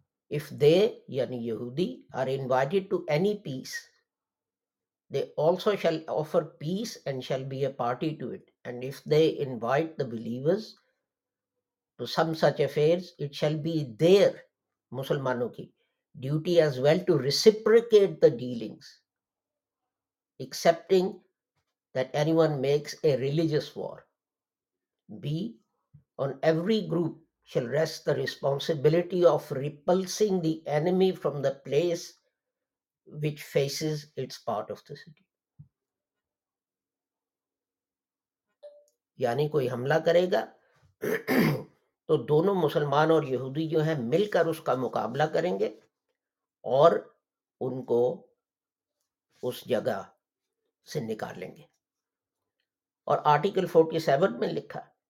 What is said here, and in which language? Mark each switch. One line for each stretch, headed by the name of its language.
English: if they
Urdu: یعنی یہودی
English: are invited to any peace they also shall offer peace and shall be a party to it, and if they invite the believers to some such affairs it shall be there,
Urdu: مسلمانوں کی
English: Duty as well to reciprocate the dealings accepting that anyone makes a religious war. B, on every group shall rest the responsibility of repulsing the enemy from the place which faces its part of the city.
Urdu: یعنی کوئی حملہ کرے گا تو دونوں مسلمان اور یہودی جو ہیں مل کر اس کا مقابلہ کریں گے اور ان کو اس جگہ سے نکال لیں گے۔ اور Article 47 میں لکھا